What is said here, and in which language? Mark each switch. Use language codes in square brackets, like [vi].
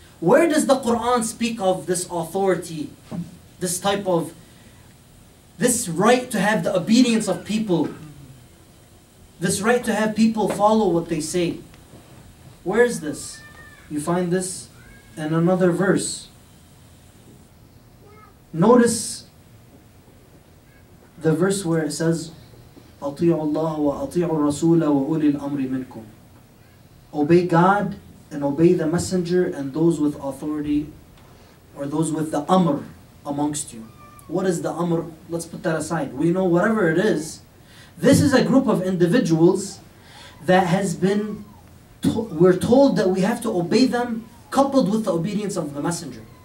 [en] Where does the Quran speak of this authority, this type of, this right to have the obedience of people, this right to have people follow what they say? Where is this? You find this in another verse. Notice the verse where it says, [ar] أطيعوا الله وأطيعوا الرسول وأولي الأمر منكم. [en] Obey God and obey the messenger and those with authority, or those with the amr amongst you. What is the amr? Let's put that aside. We know whatever it is. This is a group of individuals that has been, we're told that we have to obey them coupled with the obedience of the messenger.